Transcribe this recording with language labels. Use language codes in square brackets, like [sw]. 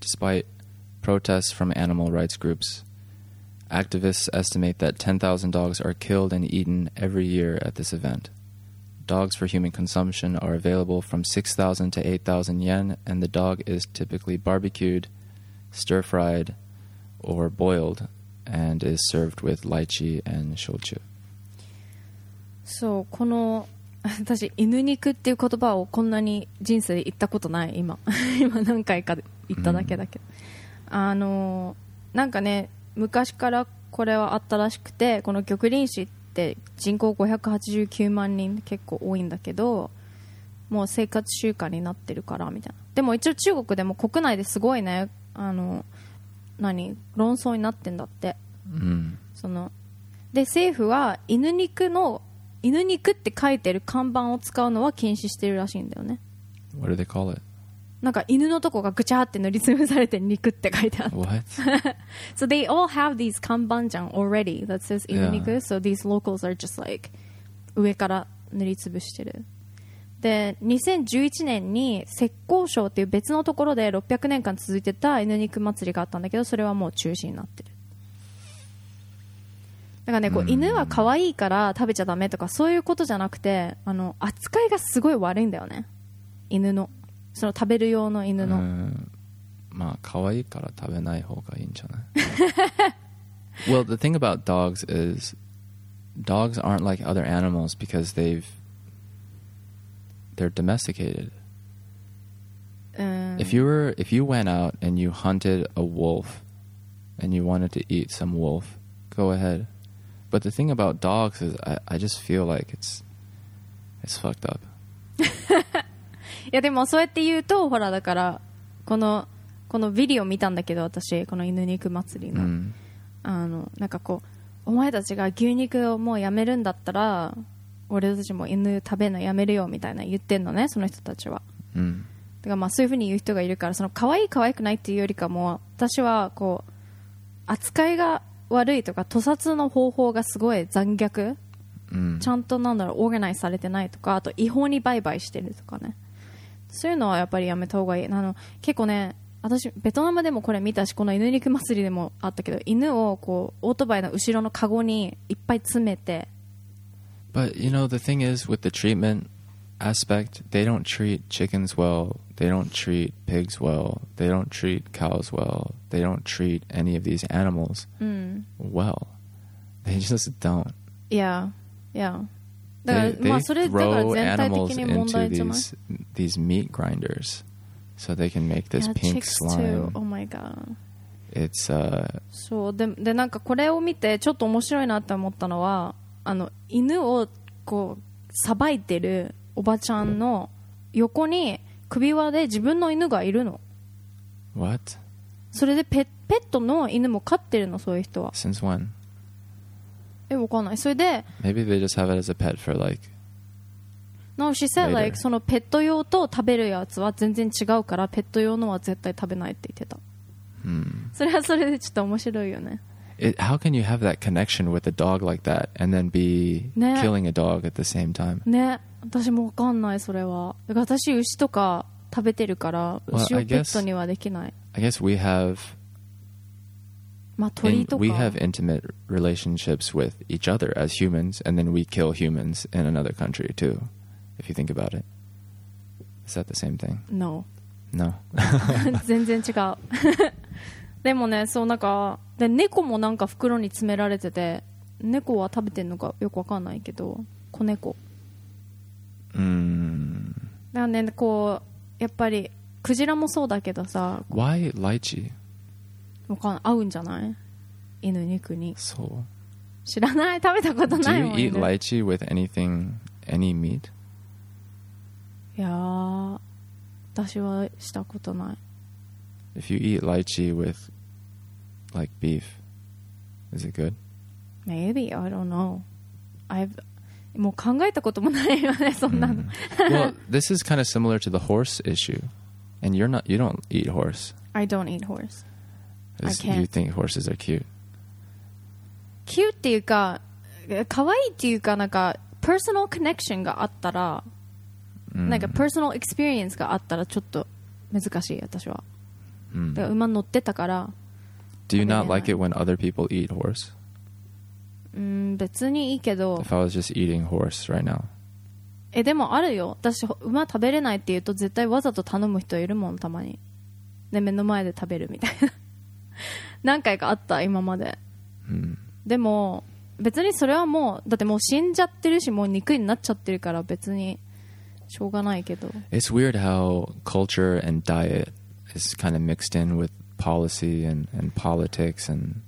[en] Despite protests from animal rights groups, activists estimate that 10,000 dogs are killed and eaten every year at this event. Dogs for human consumption are available from 6,000 to 8,000 yen, and the dog is typically barbecued, stir-fried, or boiled, and is served with lychee and shochu. So, this... [ja] 私犬肉っていう言葉をこんなに人生で言ったことない。今何回か言っただけだけど、あのなんかね、昔からこれはあったらしくて、この玉林市って人口589万人結構多いんだけど、もう生活習慣になってるからみたいな。でも一応中国でも国内ですごいね、あの何論争になってんだって、うん、そので政府は犬肉って書いてる看板を使うのは禁止してるらしいんだよね。 [en] What do they call it? [ja] なんか犬のとこがぐちゃって塗りつぶされて肉って書いてある。 [en] What? So they all have these [ja] 看板じゃん [en] already that says 犬肉、yeah. So these locals are just like [ja] 上から塗りつぶしてる。で2011年に浙江省っていう別のところで600年間続いてた犬肉祭りがあったんだけど、それはもう中止になってる。なんかね、こう犬は可愛いから食べちゃダメとかそういうことじゃなくて、あの扱いがすごい悪いんだよね、犬の、その食べる用の犬の。まあ可愛いから食べない方がいいんじゃない。 [en] Well, the thing about dogs is dogs aren't like other animals because they're domesticated. If you went out and you hunted a wolf and you wanted to eat some wolf, go ahead. But the thing about dogs is I just feel like it's fucked up. [ja] いやでもそうやって言うと、ほらだからこのビデオ見たんだけど、私この犬肉祭りの、あのなんかこうお前たちが牛肉をもうやめるんだったら俺たちも犬食べのやめるよみたいな言ってんのね、その人たちは。だからまあそういうふうに言う人がいるから、その可愛い可愛くないっていうよりかも、私はこう扱いが悪いとか屠殺の方法がすごい残虐、ちゃんとなんだろうオーガナイズされてないとか、あと違法に売買してるとかね、そういうのはやっぱりやめた方がいい。あの結構ね、私ベトナムでもこれ見たし、この犬肉祭りでもあったけど、犬をこうオートバイの後ろのカゴにいっぱい詰めて。 [en] But you know the thing is with the treatment aspect, they don't treat chickens well, they don't treat pigs well, they don't treat cows well, they don't treat any of these animals well. They just don't. Yeah, yeah. They throw animals into these meat grinders so they can make this pink slime. Too. Oh my god. It's, [ja] そう、で、なんかこれを見てちょっと面白いなって思ったのは、あの、犬をこう、さばいてるおばちゃんの横に首輪で自分の犬がいるの。 [en] What? [ja] それでペットの犬も飼ってるの、そういう人は。 [en] Since when? [ja] え、わかんない。それで [en] Maybe they just have it as a pet for like No, she said、later. [ja] like そのペット用と食べるやつは全然違うから、ペット用のは絶対食べないって言ってた。それはそれでちょっと面白いよね。 [en] How can you have that connection with a dog like that and then be、 [ja] ね、 [en] killing a dog at the same time? [ja] ね、私もわかんない、それは。だから私牛とか食べてるから、牛をペットにはできない。 [en] Well, I guess we have、 [ja] まあ、鳥とか。 [en] We have intimate relationships with each other as humans, and then we kill humans in another country too, if you think about it. Is that the same thing? No. No. [ja] 全然違う。でもね、そうなんかで猫もなんか袋に詰められてて、猫は食べてんのかよくわかんないけど、子猫。だからね、こうやっぱりクジラもそうだけどさ、 [en] Why lychee? [ja] わかんない、合うんじゃない？犬肉に。そう。知らない、食べたことないもん、ね。 [en] Do you eat lychee with anything, any meat? [ja] いやー、私はしたことない。 [en] If you eat lychee with like beef, is it good? Maybe, I don't know. [ja] もう考えたこともないよね、そんなの。 [en] Well, this is kind of similar to the horse issue. And you don't eat horse. I don't eat horse. I can't. You think horses are cute. [ja] Cute っていうか、可愛いっていうか、なんか、 [en] personal connection [ja] があったら、なんか [en] personal experience [ja] があったら、ちょっと難しい、私は。だから馬乗ってたから。 [en] Do you not like it when other people eat horse? [ja] 別にいいけど。 [en] If I was just eating horse right now. [ja] でもあるよ。私馬食べれないって言うと絶対わざと頼む人いるもん、たまに。で目の前で食べるみたいな。何回かあった今まで。でも別にそれはもうだってもう死んじゃってるし、もう肉になっちゃってるから別にしょうがないけど。 [en] It's weird how culture and diet is kind of mixed in with policy and politics and.